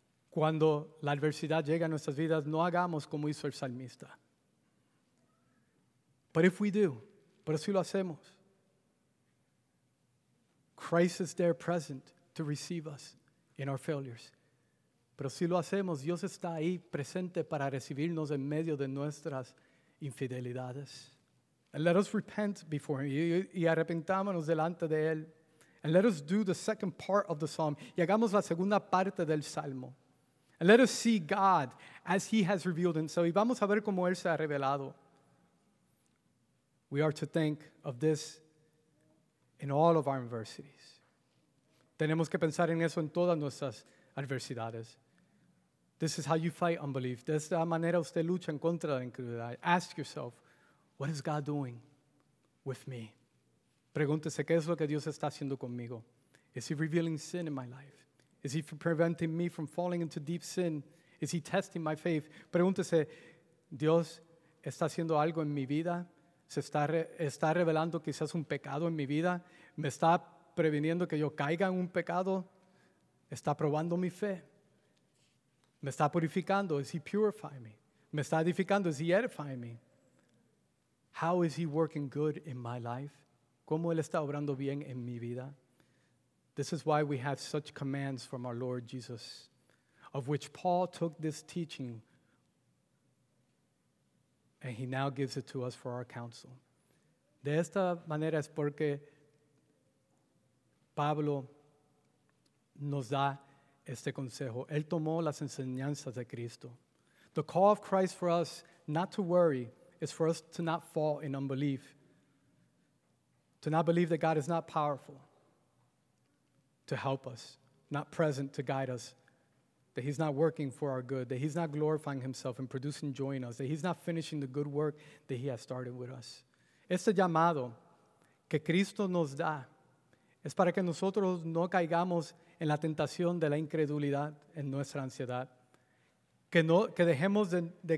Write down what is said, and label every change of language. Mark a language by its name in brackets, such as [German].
[Spanish] Cuando la adversidad llega a nuestras vidas, no hagamos como hizo el salmista. [English] But if we do, [Spanish] pero si lo hacemos, [English] Christ is there present to receive us in our failures. [Spanish] Pero si lo hacemos, Dios está ahí presente para recibirnos en medio de nuestras infidelidades. [English] And let us repent before him. [Spanish] Y arrepentámonos delante de él. [English] And let us do the second part of the psalm. [Spanish] Y hagamos la segunda parte del salmo. [English] And let us see God as he has revealed himself. [Spanish] Y vamos a ver cómo él se ha revelado. [English] We are to think of this in all of our adversities. [Spanish] Tenemos que pensar en eso en todas nuestras adversidades. [English] This is how you fight unbelief. [Spanish] De esta manera usted lucha en contra de la incredulidad. [English] Ask yourself, what is God doing with me? [Spanish] Pregúntese, ¿qué es lo que Dios está haciendo conmigo? [English] Is he revealing sin in my life? Is he preventing me from falling into deep sin? Is he testing my faith? [Spanish] Pregúntese, ¿Dios está haciendo algo en mi vida? ¿Se está revelando quizás un pecado en mi vida? ¿Me está previniendo que yo caiga en un pecado? ¿Está probando mi fe? ¿Me está purificando? [English] Is he purifying me? [Spanish] ¿Me está edificando? [English] Is he edifying me? How is he working good in my life? [Spanish] ¿Cómo él está obrando bien en mi vida? [English] This is why we have such commands from our Lord Jesus, of which Paul took this teaching, and he now gives it to us for our counsel. [Spanish] De esta manera es porque Pablo nos da este consejo. Él tomó las enseñanzas de Cristo. [English] The call of Christ for us not to worry is for us to not fall in unbelief, to not believe that God is not powerful to help us, not present to guide us, that he's not working for our good, that he's not glorifying himself and producing joy in us, that he's not finishing the good work that he has started with us. [Spanish] Este llamado que Cristo nos da es para que nosotros no caigamos en la tentación de la incredulidad en nuestra ansiedad, que dejemos de